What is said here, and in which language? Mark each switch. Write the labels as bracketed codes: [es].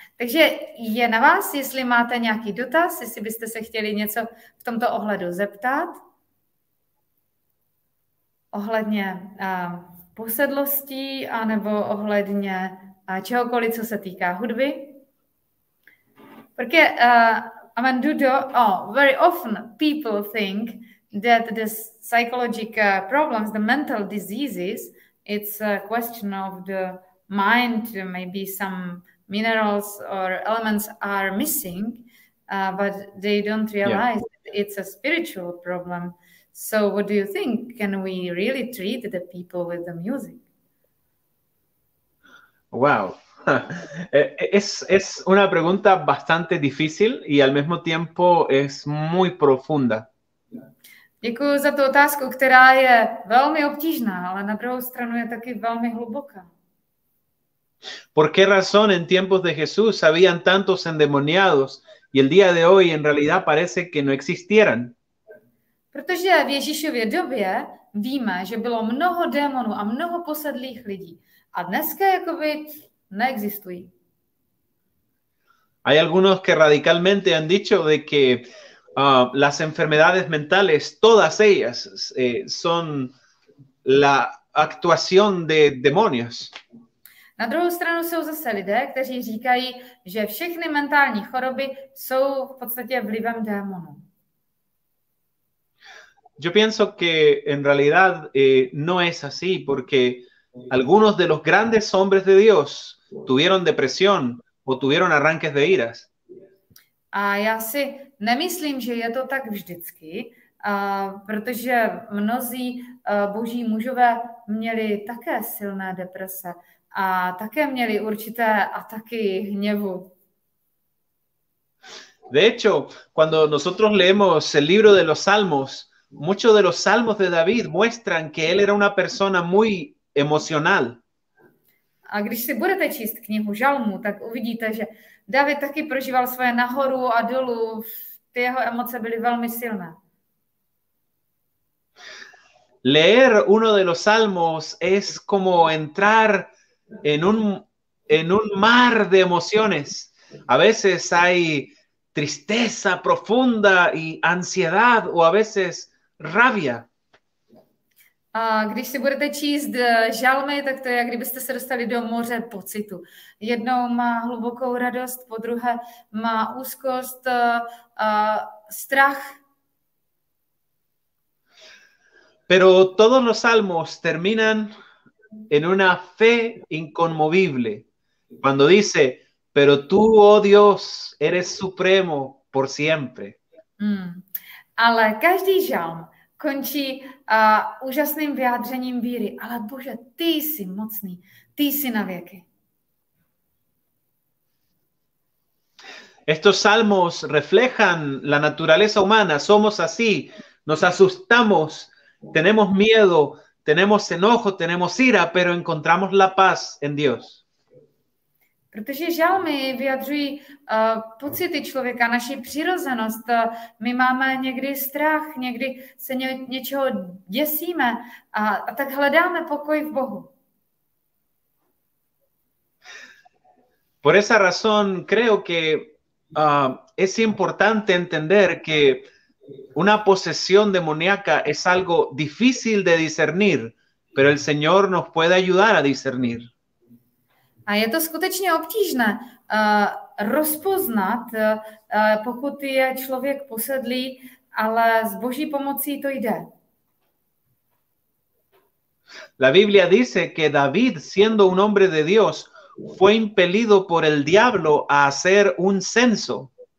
[cs] Takže je na vás, jestli máte nějaký dotaz, jestli byste se chtěli něco v tomto ohledu zeptat. Ohledně posedlostí anebo ohledně čehokoliv, co se týká hudby. Protože [en] Amandudo, very often people think that this psychological problems, the mental diseases, it's a question of the mind, maybe some minerals or elements are missing, but they don't realize that it's a spiritual problem. So what do you think? Can we really treat the people with the music? Wow. [es] Es una pregunta bastante difícil y al mismo tiempo es muy profunda. [cs] Děkuji za tu otázku, která je velmi obtížná, ale na druhou stranu je taky velmi hluboká. [es] ¿Por qué razón en tiempos de Jesús habían tantos endemoniados y el día de hoy en realidad parece que no existieran? [cs] Protože v Ježíšově době víme, že bylo mnoho démonů a mnoho posedlých lidí. A dneska jakoby neexistují. [es] Hay algunos que radicalmente han dicho de que las enfermedades mentales, todas ellas, son la actuación de demonios. [cs] Na druhou stranu jsou zase lidé, kteří říkají, že všechny mentální choroby jsou v podstatě vlivem démonů. [es] Yo pienso que en realidad no es así, porque algunos de los grandes hombres de Dios tuvieron depresión o tuvieron arranques de iras. [cs] A já si nemyslím, že je to tak vždycky, protože mnozí boží mužové měli také silné deprese a také měli určité ataky hněvu. [es] De hecho, cuando nosotros leemos el libro de los Salmos, muchos de los salmos de David muestran que él era una persona muy emocional. [cs] A když si budete číst knihu Žalmu, tak uvidíte, že David taky prožíval svoje nahoru a dolů. Ty jeho emoce byly velmi silné. [es] Leer uno de los salmos es como entrar en un mar de emociones. A veces hay tristeza profunda y ansiedad, o a veces rabia. [cs] A když si budete číst žalmy, tak to je, kdybyste se dostali do moře pocitu. Jednou má hlubokou radost, po druhé má úzkost, strach. [es] Pero todos los salmos terminan en una fe inconmovible. Cuando dice, pero tú, oh Dios, eres supremo por siempre. [cs] Ale každý žalm končí úžasným vyjádřením víry. Ale Bože, ty jsi mocný, ty jsi na věky. [es] Estos salmos reflejan la naturaleza humana. Somos así, nos asustamos, tenemos miedo, tenemos enojo, tenemos ira, pero encontramos la paz en Dios. [cs] Protože žalmy vyjadřují pocity člověka, naši přirozenost. My máme někdy strach, někdy se něčeho děsíme a tak hledáme pokoj v Bohu. [es] Por esa razón creo que es importante entender que una posesión demoníaca es algo difícil de discernir, pero el Señor nos puede ayudar a discernir. [cs] A je to skutečně obtížné rozpoznat, pokud je člověk posedlý, ale s Boží pomocí to jde. [es] La Biblia dice que David, siendo un hombre de Dios, fue impelido por el diablo a hacer un censo.